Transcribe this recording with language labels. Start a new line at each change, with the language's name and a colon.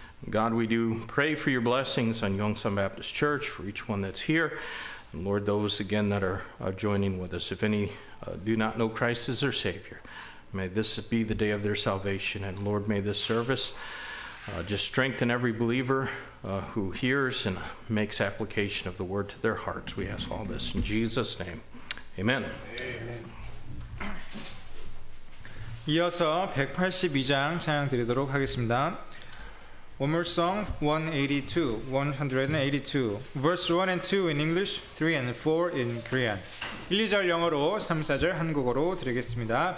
English: God, we do pray for your blessings on Yongsan Baptist Church, for each one that's here, and Lord, those again that are joining with us. If any do not know Christ as their Savior, may this be the day of their salvation. And Lord, may this service just strengthen every believer who hears and makes application of the word to their hearts. We ask all this in Jesus' name. Amen. Amen.
Korean: 이어서 182장 찬양 드리도록 하겠습니다.
English: One more song, 182. Verse 1 and 2 in English, 3 and 4 in Korean.
Korean: 1, 2절 영어로, 3, 4절 한국어로 드리겠습니다.